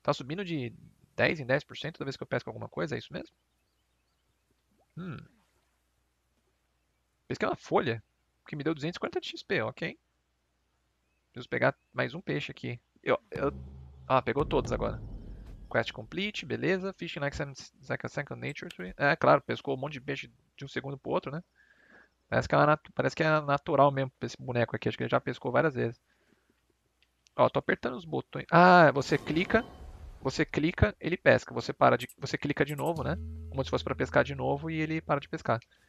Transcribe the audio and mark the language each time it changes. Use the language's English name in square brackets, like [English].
[Portuguese] Tá subindo de 10 em 10% toda vez que eu pesco alguma coisa, é isso mesmo? Pesquei uma folha que me deu 240 de XP, ok. Preciso pegar mais um peixe aqui. Ah, pegou todos agora. Quest complete, beleza. [English] Fishing like a second nature tree. [Portuguese] É, claro, pescou um monte de peixe de um segundo pro outro, né? Parece que é natural mesmo esse boneco aqui. Acho que ele já pescou várias vezes. Ó, tô apertando os botões. Ah, você clica, ele pesca. Você clica de novo, né? Como se fosse para pescar de novo e ele para de pescar.